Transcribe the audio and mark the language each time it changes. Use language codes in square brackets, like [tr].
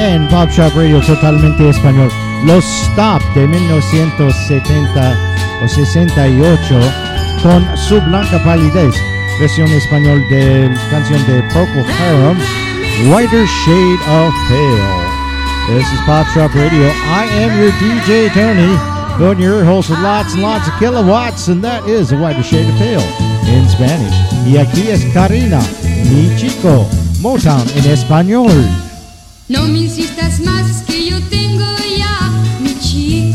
[es] En Pop Shop Radio totalmente español, Los Stop de 1970 o 68 con su blanca palidez. Versión español de canción de Purple Harum, Whiter Shade of Pale. [en] This is Pop Shop Radio. I am your DJ Tony, going to your host with lots and lots of kilowatts, and that is a Whiter Shade of Pale in Spanish. [es] Y aquí es Karina, mi chico, Motown en español. No me insistas más que yo tengo ya.